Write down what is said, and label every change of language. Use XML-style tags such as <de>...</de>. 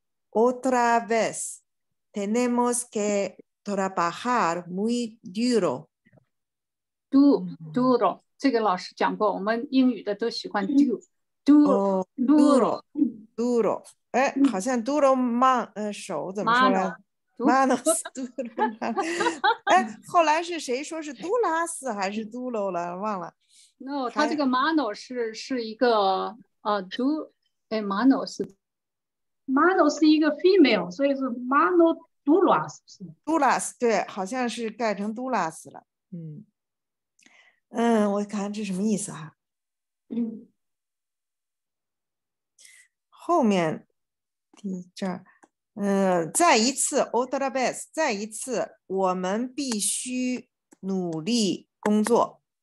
<es>Otra vez tenemos que trabajar muy duro. Duro.</es> <zh>这个老师讲过，我们英语的都喜欢 duro.</zh> <es>Duro.</es> <zh>哎，好像 duro man 手怎么说来？</zh> <es>Manos duro.</es> <zh>哎，后来是谁说是 duras 还是 duro 了？忘了。 No， 他这个 mano 是一个mano 是 mano 是一个 female， 所以是</zh> <es>mano duras，</es> <zh>duras 对，好像是改成 duras 了。我看这什么意思啊？后面第这儿，再一次</zh> <es>otra vez，</es> <zh>再一次，我们必须努力工作。</zh>